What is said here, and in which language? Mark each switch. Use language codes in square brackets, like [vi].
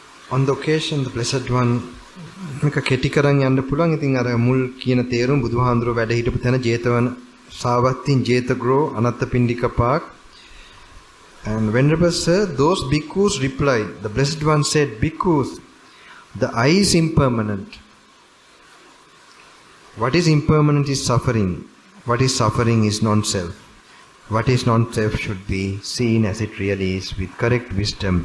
[en] On the occasion the blessed one [si] මේක කෙටි කරන් යන්න පුළුවන්. ඉතින් අර මුල් කියන තේරුම් බුදුහාඳුරෝ වැඩ හිටපු තැන Jetavana සාවත්තින් ජේතග්‍රෝ අනත්තපිණ්ඩික Park. [en] And venerable sir, those bhikkhus replied, the blessed one said, bhikkhus, the eye is impermanent. What is impermanent is suffering. What is suffering is non-self. What is non-self should be seen as it really is with correct wisdom.